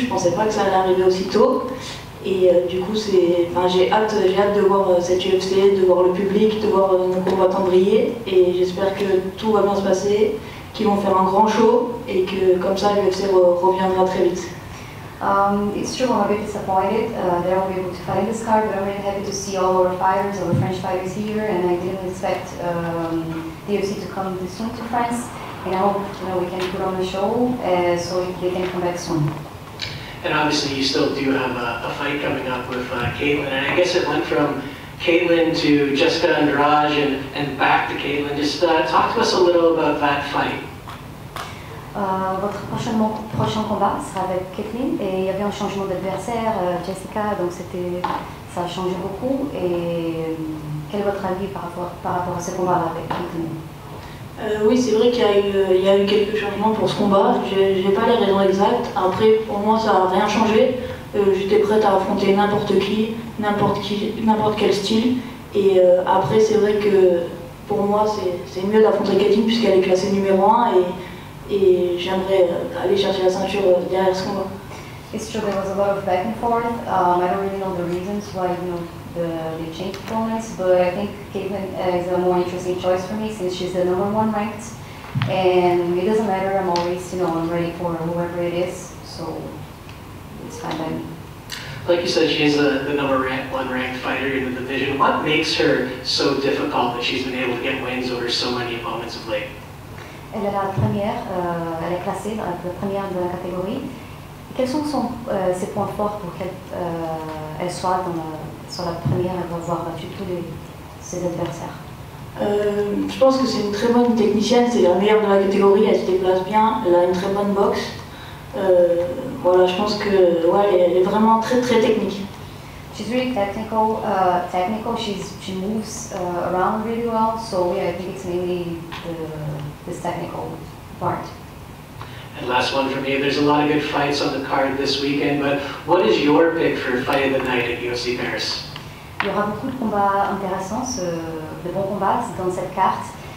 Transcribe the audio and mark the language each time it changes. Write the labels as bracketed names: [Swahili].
[French] Je ne pensais pas que ça allait arriver aussi tôt. Et du coup, j'ai hâte de voir cette UFC, de voir le public, de voir nos combattants briller. Et j'espère que tout va bien se passer, qu'ils vont faire un grand show et que comme ça l'UFC reviendra très vite. [English] It's true, I'm a bit disappointed that I won't be able to fight in this card, but I'm really happy to see all our fighters, our French fighters here, and I didn't expect the UFC to come this soon to France, and I hope we can put on a show so they can come back soon. And obviously you still do have a fight coming up with Caitlin, and I guess it went from Caitlin to Jessica Andrade and back to Caitlin. Just talk to us a little about that fight. [French] Votre prochain combat sera avec Caitlin, et il y avait un changement d'adversaire, Jessica, donc ça a changé beaucoup. Et quel est votre avis par rapport à ce combat avec Caitlin? Oui, c'est vrai qu'il y a eu quelques changements pour ce combat. J'ai pas les raisons exactes. Après, pour moi, ça n'a rien changé. J'étais prête à affronter n'importe quel style. Et après, c'est vrai que pour moi, c'est mieux d'affronter Caitlin puisqu'elle est classée numéro 1. Et j'aimerais aller chercher la ceinture derrière ce combat. [English] It's true, there was a lot of back and forth. I don't really know the reasons why they changed opponents, but I think Caitlin is a more interesting choice for me since she's the number one ranked. And it doesn't matter, I'm always, I'm ready for whoever it is, so it's fine by me. Like you said, she is the number one ranked fighter in the division. What makes her so difficult that she's been able to get wins over so many opponents of late? [French] Elle est la première, elle est classée la première de la catégorie. Quels sont ses points forts pour qu'elle soit sur la première et avoir battu tous ses adversaires? Je pense que c'est une très bonne technicienne, c'est la meilleure de la catégorie, elle se déplace bien, elle a une très bonne boxe. Je pense que elle est vraiment très très technique. [English] She's really technical. She moves around really well. So yeah, I think it's mainly the technical part. And last one from me. There's a lot of good fights on the card this weekend. But what is your pick for fight of the night at UFC Paris? [French] Il y aura beaucoup de combats intéressants, de bons combats dans cette carte.